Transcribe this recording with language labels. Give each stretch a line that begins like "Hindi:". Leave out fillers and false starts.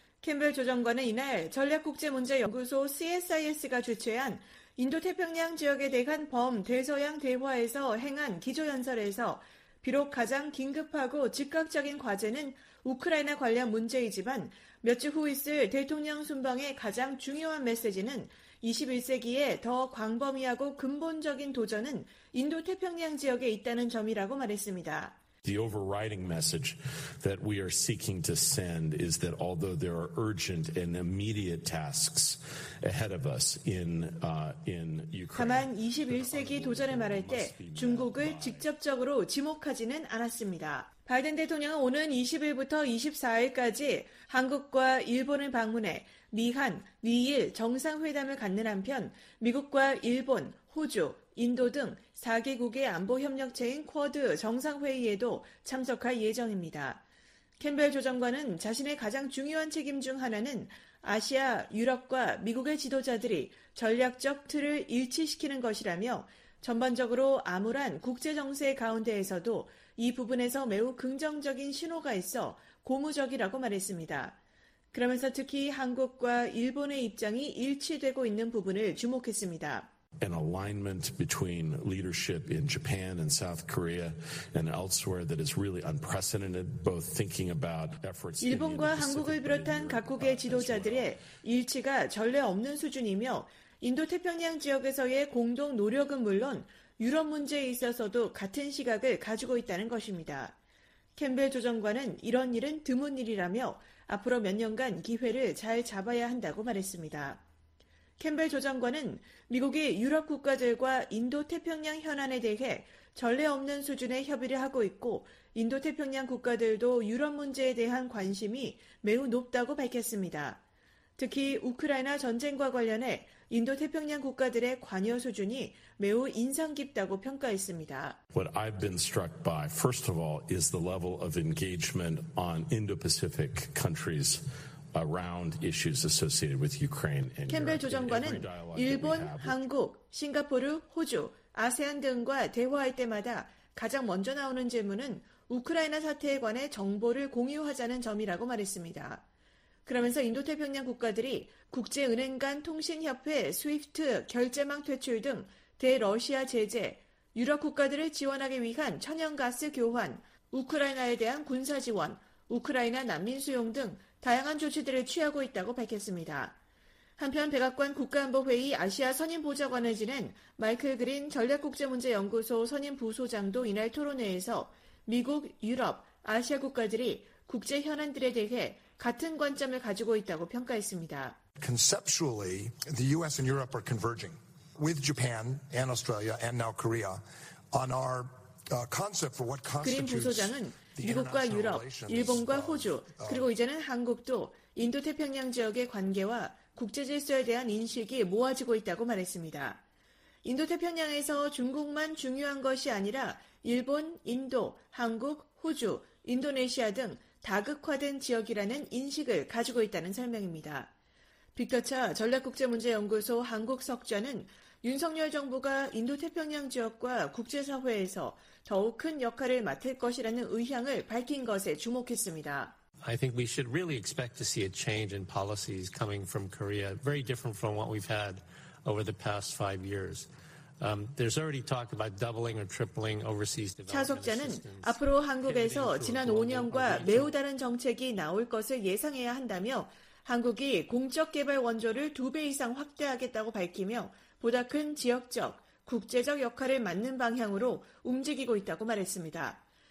Korean: 캠벨 조정관은 이날 전략국제문제연구소 CSIS가 주최한 인도태평양 지역에 대한 범 대서양 대화에서 행한 기조연설에서 비록 가장 긴급하고 즉각적인 과제는 우크라이나 관련 문제이지만 몇 주 후 있을 대통령 순방의 가장 중요한 메시지는 21세기에 더 광범위하고 근본적인 도전은 인도태평양 지역에 있다는 점이라고 말했습니다.
English: The overriding message that we are seeking to send is that although there are urgent and immediate tasks ahead of us in Ukraine,
Korean: 다만 21세기 도전을 말할 때 중국을 직접적으로 지목하지는 않았습니다. 바이든 대통령은 오는 20일부터 24일까지 한국과 일본을 방문해 미한, 미일 정상회담을 갖는 한편 미국과 일본, 호주, 인도 등 4개국의 안보협력체인 쿼드 정상회의에도 참석할 예정입니다. 캠벨 조정관은 자신의 가장 중요한 책임 중 하나는 아시아, 유럽과 미국의 지도자들이 전략적 틀을 일치시키는 것이라며 전반적으로 암울한 국제정세 가운데에서도 이 부분에서 매우 긍정적인 신호가 있어 고무적이라고 말했습니다. 그러면서 특히 한국과 일본의 입장이 일치되고 있는 부분을 주목했습니다.
English: An alignment between leadership in Japan and South Korea and elsewhere that is really unprecedented, both thinking about efforts.
Korean: 일본과 한국을 비롯한 각국의 지도자들의 일치가 전례 없는 수준이며 인도태평양 지역에서의 공동 노력은 물론 유럽 문제에 있어서도 같은 시각을 가지고 있다는 것입니다. 캠벨 조정관은 이런 일은 드문 일이라며 앞으로 몇 년간 기회를 잘 잡아야 한다고 말했습니다. 캠벨 조정관은 미국이 유럽 국가들과 인도태평양 현안에 대해 전례 없는 수준의 협의를 하고 있고 인도태평양 국가들도 유럽 문제에 대한 관심이 매우 높다고 밝혔습니다. 특히 우크라이나 전쟁과 관련해 인도태평양 국가들의 관여 수준이 매우 인상 깊다고 평가했습니다.
English: What I've been struck by, first of all, is the level of engagement on Indo-Pacific countries around issues associated with Ukraine.
Korean: 캠벨 조정관은 일본, 한국, 싱가포르, 호주, 아세안 등과 대화할 때마다 가장 먼저 나오는 질문은 우크라이나 사태에 관해 정보를 공유하자는 점이라고 말했습니다. 그러면서 인도태평양 국가들이 국제은행 간 통신협회, 스위프트, 결제망 퇴출 등 대러시아 제재, 유럽 국가들을 지원하기 위한 천연가스 교환, 우크라이나에 대한 군사 지원, 우크라이나 난민 수용 등 다양한 조치들을 취하고 있다고 밝혔습니다. 한편 백악관 국가안보회의 아시아 선임보좌관을 지낸 마이클 그린 전략국제문제연구소 선임부소장도 이날 토론회에서 미국, 유럽, 아시아 국가들이 국제 현안들에 대해 같은 관점을 가지고 있다고 평가했습니다.
English: Conceptually, the US and Europe are converging with Japan and Australia and now Korea on our concept for what constitutes.
Korean: 그린 부소장은 미국과 유럽, 일본과 호주, 그리고 이제는 한국도 인도태평양 지역의 관계와 국제 질서에 대한 인식이 모아지고 있다고 말했습니다. 인도태평양에서 중국만 중요한 것이 아니라 일본, 인도, 한국, 호주, 인도네시아 등 다극화된 지역이라는 인식을 가지고 있다는 설명입니다. 빅터 차 전략국제문제연구소 한국석좌는 윤석열 정부가 인도태평양 지역과 국제사회에서 더욱 큰 역할을 맡을 것이라는 의향을 밝힌 것에 주목했습니다.
English: I think we should really expect to see a change in policies coming from Korea, very different from what we've had over the past five years. There's already talk about doubling or tripling overseas development assistance.
Korean: 차석자는 앞으로 한국에서 지난 5년과 매우 다른 정책이 나올 것을 예상해야 한다며 한국이 공적 개발 원조를 2배 이상 확대하겠다고 밝히며 보다 큰 지역적, 국제적 역할을 맡는 방향으로 움직이고 있다고 말했습니다.